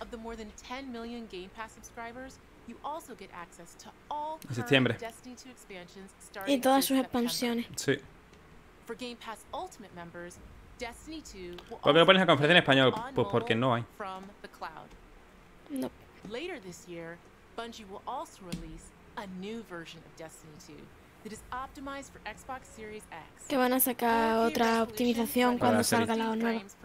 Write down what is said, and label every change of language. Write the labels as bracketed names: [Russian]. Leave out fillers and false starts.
[English] Of the more than 10 million Game Pass subscribers, you also get access to all Destiny 2 expansions starting in September. [Spanish] Y todas sus expansiones. Sí. [English] For Game Pass Ultimate members, Destiny 2 will. [Spanish] ¿Por qué lo pones a conferencia en español? Pues porque no hay. [English] From the cloud. Nope. Later this year, Bungie will also release a new version of Destiny 2 that is optimized for Xbox Series X. [Spanish] Que van a sacar otra optimización cuando salga la nueva.